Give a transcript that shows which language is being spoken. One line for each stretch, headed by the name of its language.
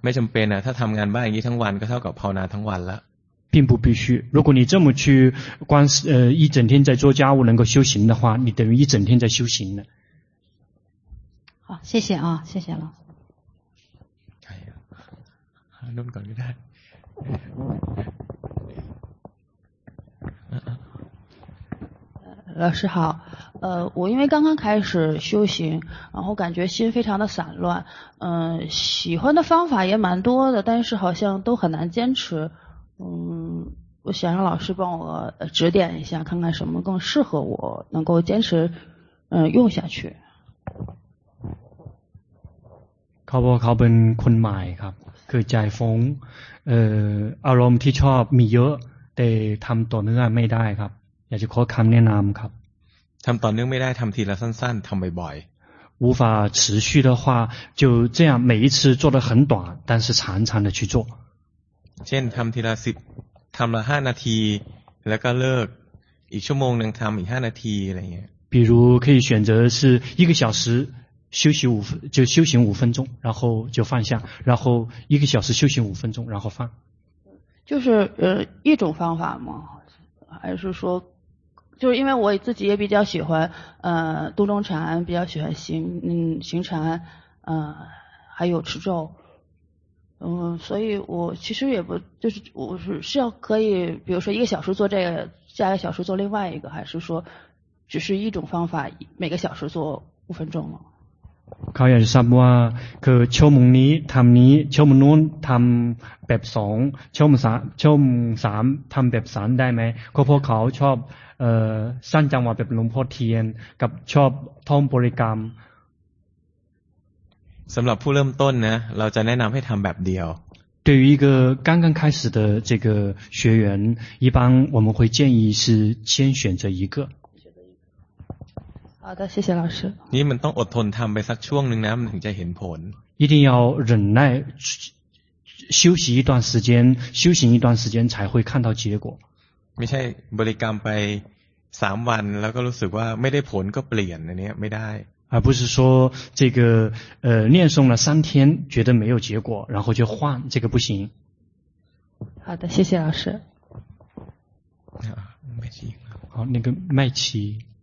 Thai: ไม่จำเป็นนะถ้าทำงานบ้านอย่างนี้ทั้งวันก็เท่ากับภาวนาทั้งวันละ
Chinese: 并不必须如果你这么去光一整天在做家务能够修行的话你等于一整天在修行呢好谢谢啊谢谢了哎呀弄个你看老师好我因为刚刚开始修行然后感觉心非常的散乱喜欢的方法也蛮多的但是好像都很难坚持我想让老师帮我指点一下看看什么更适合我能够坚持用下去
Thai: ขอบคุณคุณใหม่ครับคือใจฟุ้งอารมณ์ที่ชอบมีเยอะแต่ทำต่อเนื่องไม่ได้ครับอยากจะขอคำแนะนำครับ ทำต่อเนื่องไม่ได้ทำทีละสั้นๆทำบ่อย
Chinese: ๆ无法持续的话就这样每一次做得很短但是常常的去做
Thai: เช่นทำทีละสิบทำละห้านาทีแล้วก็เลิกอีกชั่วโมงหนึ่งทำอีกห้านาทีอะไรเงี้ย
Chinese: 比如可以选择是一个小时休息五分就修行五分钟然后就放下然后一个小时休息五分钟然后放就是一种方法吗还是说就是因为我自己也比较喜欢读中禅比较喜欢行禅还有持咒所以我其实也不就是我是要可以比如说一个小时做这个下一个小时做另外一个还是说只是一种方法每个小时做五分钟吗
Thai: เขาอยากจะทราบว่าคือชั่วโมงนี้ทำนี้ชั่วโมงนู้นทำแบบสองชั่วโมงสามชั่วโมงสามทำแบบสามได้ไหมเพราะพวกเขาชอบสร้างจังหวะแบบหลวงพ่อเทียนกับชอบท่องบริกรรม สำหรับผู้เริ่มต้นนะเราจะแนะนำให้ทำแบบเดียว
Chinese: 对于一个刚刚开始的这个学员一般我们会建议是先选择一个好的谢谢老师
Thai: นี่มันต้องอดทนทำไปสักช่วงหนึ่งนะมันถึงจะเห็นผล
Chinese: 一定要忍耐休息一段时间修行一段时间才会看到结果
Thai: ไม่ใช่บริกรรมไป3วันแล้วก็รู้สึกว่าไม่ได้ผลก็เปลี่ยนอันนี้ไม่ได้
Chinese: 而不是说这个念诵了三天觉得没有结果然后就换这个不行好的谢谢老师麦琪好那个麦琪